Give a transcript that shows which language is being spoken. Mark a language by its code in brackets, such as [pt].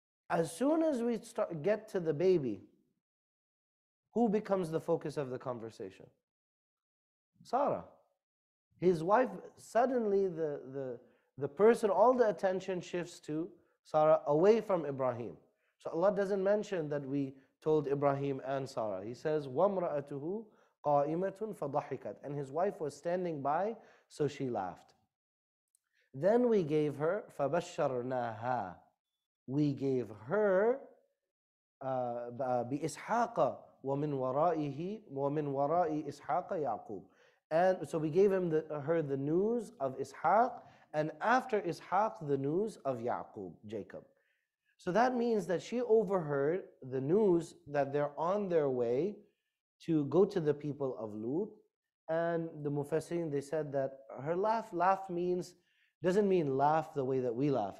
[en] As soon as we start get to the baby, who becomes the focus of the conversation? Sarah. His wife, suddenly the person, all the attention shifts to Sarah away from Ibrahim. So Allah doesn't mention that we told Ibrahim and Sarah. He says, [ar] وَامْرَأَتُهُ قَائِمَةٌ فَضَحِكَتْ. [en] And his wife was standing by, so she laughed. Then we gave her, [ar] فَبَشَّرْنَاهَا. [en] We gave her, [ar] بِإِسْحَاقَ وَمِنْ وَرَائِهِ إِسْحَاقَ يَعْقُوبُ. [en] And so we gave him her the news of Ishaq, and after Ishaq, the news of Yaqub, Jacob. So that means that she overheard the news that they're on their way to go to the people of Lut. And the Mufassirin, they said that her laugh means, doesn't mean laugh the way that we laugh.